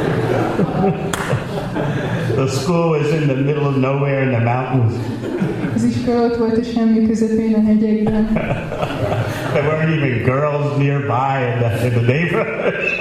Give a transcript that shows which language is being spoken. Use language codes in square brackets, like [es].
[en] The school is in the middle of nowhere in the mountains. [hu] Az iskola ott volt a semmi közepén a hegyekben. [en] There weren't even girls nearby in the neighborhood.